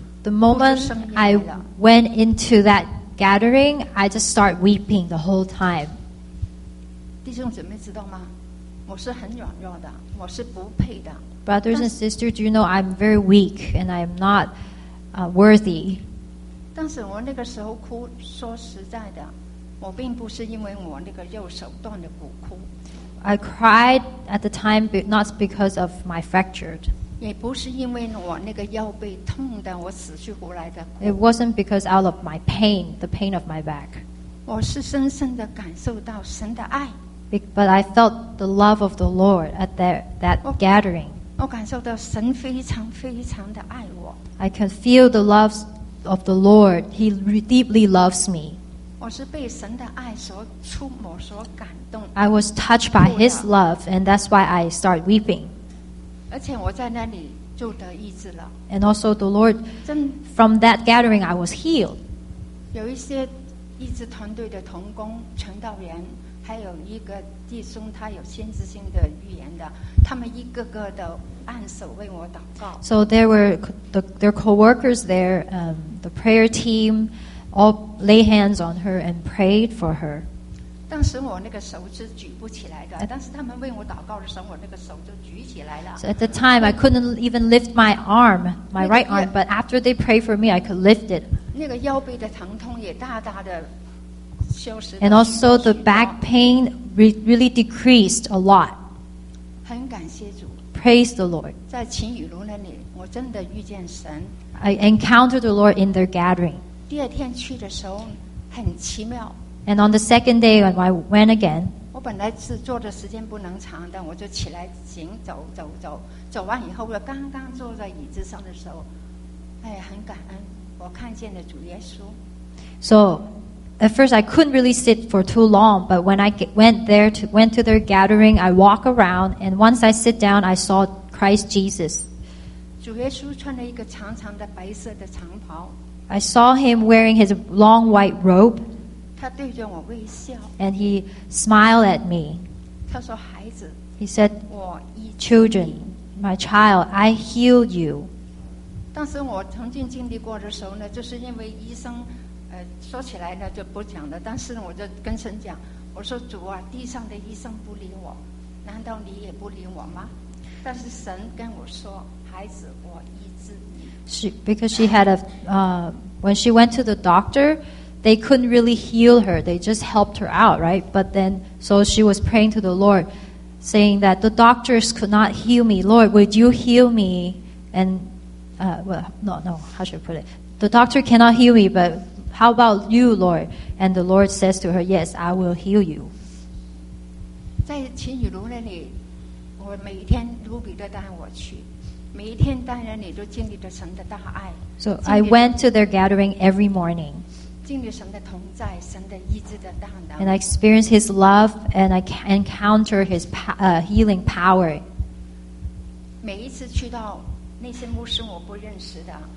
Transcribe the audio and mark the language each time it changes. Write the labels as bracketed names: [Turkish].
[English] The moment I went into that gathering, I just start weeping the whole time. [Chinese] 弟兄姊妹知道吗？我是很软弱的，我是不配的。 [English] Brothers and sisters, do you know I'm very weak and I'm not worthy? [Chinese] 但是我那个时候哭，说实在的，我并不是因为我那个右手断的骨哭。 [English] I cried at the time not because of my fractured. [Chinese] 也不是因为我那个腰背痛的，我死去活来的。 [English] It wasn't because out of my pain, the pain of my back. [Chinese] 我是深深的感受到神的爱。 [English] But I felt the love of the Lord at that gathering. [Chinese] 我感受到神非常非常的爱我。 [English] I can feel the love of the Lord. He deeply loves me. [Chinese] 我是被神的爱所触摸所感动。 [English] I was touched by his love, and that's why I started weeping. [Chinese] 而且我在那里就得医治了。 [English] And also the Lord, from that gathering, I was healed. [Chinese] 有一些医治团队的同工、传道员，还有一个弟兄，他有先知性的预言的，他们一个个的按手为我祷告。 [English] So there were their co-workers there, the prayer team. All lay hands on her and prayed for her. [Chinese] 当时我那个手是举不起来的，但是他们为我祷告的时候，我那个手就举起来了。 [English] So at the time, I couldn't even lift my arm, my right arm. But after they prayed for me, I could lift it. [Chinese] 那个腰背的疼痛也大大的消失。 [English] And also the back pain really decreased a lot. [Chinese] 很感谢主。 [English] Praise the Lord. [Chinese] 在晴雨炉那里，我真的遇见神。 [English] I encountered the Lord in their gathering. [Chinese] 第二天去的时候很奇妙。 [English] And on the second day when I went again, [Chinese] 我本来是坐的时间不能长的，我就起来行走走走，走完以后我刚刚坐在椅子上的时候，哎，很感恩，我看见了主耶稣。 [English] So at first I couldn't really sit for too long, but when I went to their gathering, I walk around, and once I sit down, I saw Christ Jesus. [Chinese] 主耶稣穿了一个长长的白色的长袍。 [English] I saw him wearing his long white robe. [Chinese] 他对着我微笑。 [English] And he smiled at me. [Chinese] 他说，孩子。 [English] He said, [Chinese] 我医治你。 [English] Children, my child, I heal you. [Chinese] 当时我曾经经历过的时候呢，就是因为医生，说起来呢就不讲了。但是我就跟神讲，我说主啊，地上的医生不理我，难道你也不理我吗？但是神跟我说，孩子，我医治你。 [English] Because she had a, when she went to the doctor, they couldn't really heal her. They just helped her out, right? But then, so she was praying to the Lord, saying that the doctors could not heal me. Lord, would you heal me? And, how should I put it? The doctor cannot heal me, but how about you, Lord? And the Lord says to her, yes, I will heal you. [Chinese] 在晴雨炉那里，我每天卢比都带我去。每一天当然你都经历着神的大爱。 [English] So I went to their gathering every morning. [Chinese] 经历神的同在，神的医治的大能。 [English] And I experienced his love and I encountered his healing power. [Chinese] 每一次去到那些牧师我不认识的，